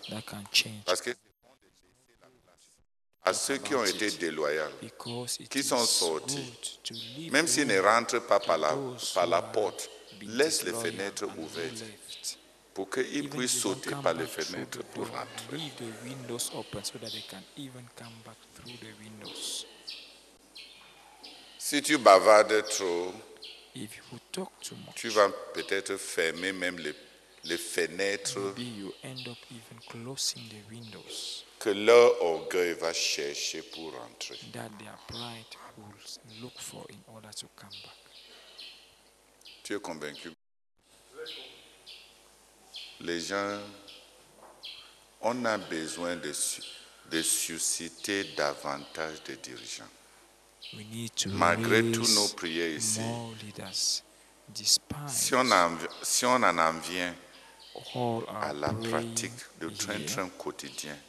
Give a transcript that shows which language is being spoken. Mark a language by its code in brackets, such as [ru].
[en] That can change. [fr] Parce que à ceux qui ont été déloyaux, qui sont sortis, même s'ils ne rentrent pas par la porte, laisse les fenêtres ouvertes pour qu'ils puissent sauter par les fenêtres pour rentrer. [en] Leave the windows open so that they can even come back through the windows. [fr] Si tu bavardes trop, [en] if you talk too much, [fr] tu vas peut-être fermer même les fenêtres. [en] Maybe you end up even closing the windows. [fr] Que leur orgueil va chercher pour rentrer. [en] That their pride will look for in order to come back. [fr] Tu es convaincu? Les gens, on a besoin de susciter davantage de dirigeants. [en] We need to [fr] malgré toutes nos prières ici, [en] more leaders, despite [fr] si on en vient à la pratique de train-train quotidien,